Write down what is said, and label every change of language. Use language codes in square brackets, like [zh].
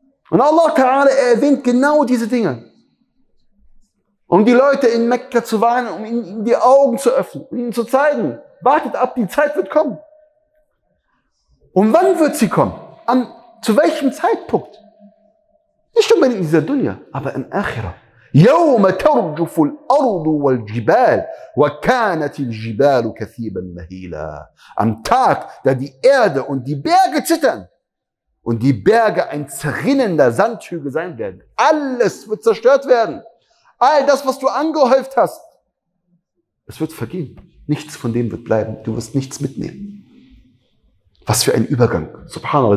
[de] Und Allah ta'ala, er erwähnt genau diese Dinge. um die Leute in Mekka zu warnen, um ihnen die Augen zu öffnen, um ihnen zu zeigen, wartet ab, die Zeit wird kommen. Und wann wird sie kommen? Zu welchem Zeitpunkt? Nicht unbedingt in dieser Dunya, aber im Akhira. [ar] يوم ترجف الأرض والجبال وكانت الجبال كثيبا مهيلا. [de] Am Tag, da die Erde und die Berge zittern und die Berge ein zerrinnender Sandhügel sein werden. Alles wird zerstört werden. All das, was du angehäuft hast, es wird vergehen. Nichts von dem wird bleiben. Du wirst nichts mitnehmen. Was für ein Übergang. Subhanallah.